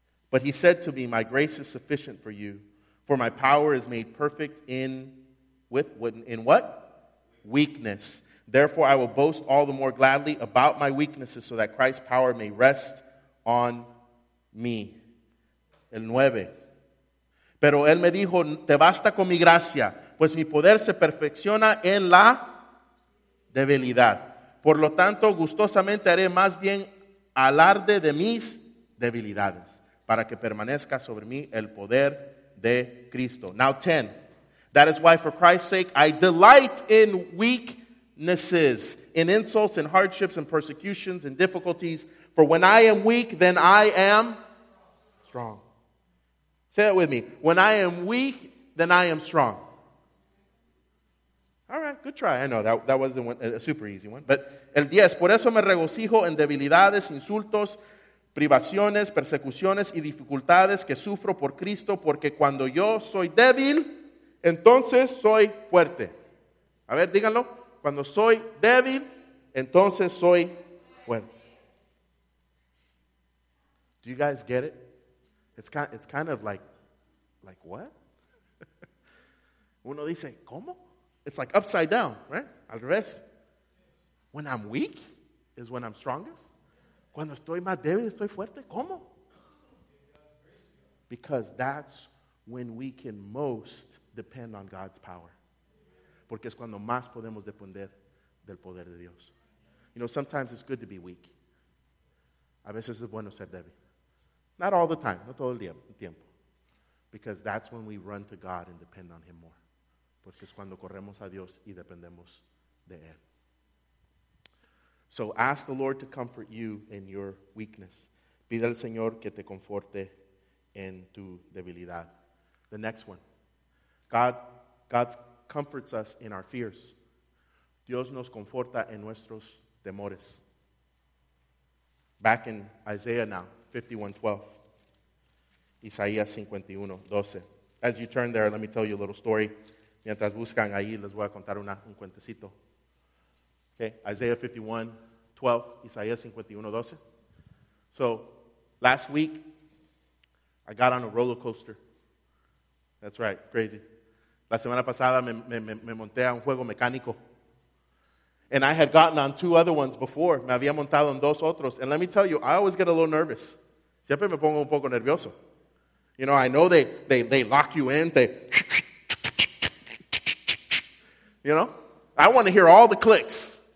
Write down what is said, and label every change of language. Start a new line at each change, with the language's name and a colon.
English: But he said to me, my grace is sufficient for you. For my power is made perfect in what? Weakness. Therefore, I will boast all the more gladly about my weaknesses so that Christ's power may rest on me.
Spanish: El 9. Pero él me dijo, te basta con mi gracia, pues mi poder se perfecciona en la debilidad. Por lo tanto, gustosamente haré más bien alarde de mis debilidades para que permanezca sobre mí el poder de Cristo.
English: Now 10. That is why, for Christ's sake, I delight in weaknesses, in insults, in hardships, in persecutions, in difficulties. For when I am weak, then I am strong. Say that with me. When I am weak, then I am strong. All right, good try. I know that wasn't a super easy one. But
Spanish: el 10. Por eso me regocijo en debilidades, insultos, privaciones, persecuciones y dificultades que sufro por Cristo, porque cuando yo soy débil, entonces soy fuerte. A ver, díganlo. Cuando soy débil, entonces soy fuerte.
English: Do you guys get it? It's kind of like what?
Spanish: Uno dice, ¿cómo?
English: It's like upside down, right?
Spanish: Al revés.
English: When I'm weak is when I'm strongest.
Spanish: Cuando estoy más débil, estoy fuerte. ¿Cómo?
English: Because that's when we can most depend on God's power.
Spanish: Porque es cuando más podemos depender del poder de Dios.
English: You know, sometimes it's good to be weak.
Spanish: A veces es bueno ser débil.
English: Not all the time,
Spanish: no todo el tiempo.
English: Because that's when we run to God and depend on Him more.
Spanish: Porque es cuando corremos a Dios y dependemos de Él.
English: So ask the Lord to comfort you in your weakness.
Spanish: Pide al Señor que te conforte en tu debilidad.
English: The next one. God comforts us in our fears.
Spanish: Dios nos conforta en nuestros temores.
English: Back in Isaiah now, 51:12.
Spanish: Isaías 51:12.
English: As you turn there, let me tell you a little story.
Spanish: Mientras buscan ahí, les voy a contar un cuentecito.
English: Okay, Isaiah 51:12,
Spanish: Isaías 51:12.
English: So, last week, I got on a roller coaster. That's right, crazy.
Spanish: La semana pasada me monté a un juego mecánico.
English: And I had gotten on two other ones before.
Spanish: Me había montado en dos otros.
English: And let me tell you, I always get a little nervous.
Spanish: Siempre me pongo un poco nervioso.
English: You know, I know they lock you in. They, you know, I want to hear all the clicks.